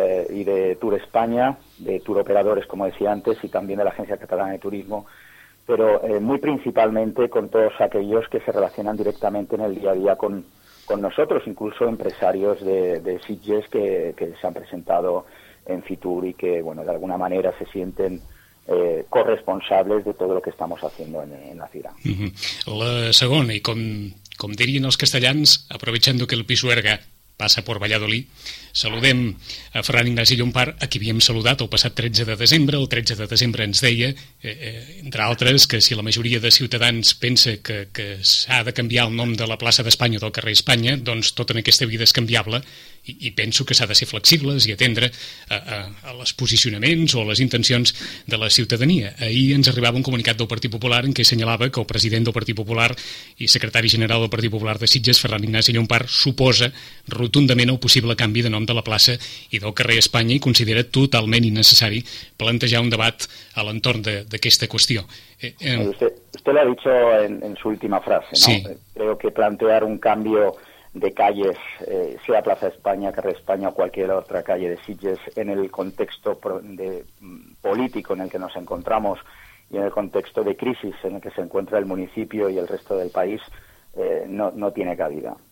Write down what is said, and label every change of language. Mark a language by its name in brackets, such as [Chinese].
[Spanish] y de Tour España, de Tour Operadores, como decía antes, y también de la Agencia Catalana de Turismo, pero muy principalmente con todos aquellos que se relacionan directamente en el día a día con nosotros, incluso empresarios de Sitges que se han presentado en Fitur y que, bueno, de alguna manera se sienten corresponsables de [Catalan] tot el que estem fent en la fira. Uh-huh. La segona, i com dirien els castellans, aprovechant que el Pisuerga passa per Valladolid, saludem a Ferran Ignasi Llompart, a qui havíem saludat el passat 13 de desembre. El 13 de desembre ens deia, entre altres, que si la majoria de ciutadans pensa que s'ha de canviar el nom de la plaça d'Espanya o del carrer Espanya, doncs tot en aquesta vida és canviable i penso que s'ha de ser flexibles i atendre a les posicionaments o a les intencions de la ciutadania. Ahir ens arribava un comunicat del Partit Popular en què assenyalava que el president del Partit Popular i secretari general del Partit Popular de Sitges, Ferran Ignasi Llompart, suposa rotundament el possible canvi de nom de la plaça i del carrer Espanya i considera totalment innecessari plantejar un debat a l'entorn d'aquesta qüestió. [Spanish] Usted lo ha dicho en su última frase, ¿no? Sí. Creo que plantear un cambio de calles, sea Plaza España, Carrer España o cualquier otra calle de Sitges, en el contexto político en el que nos encontramos y en el contexto de crisis en el que se encuentra el municipio y el resto del país, no tiene cabida.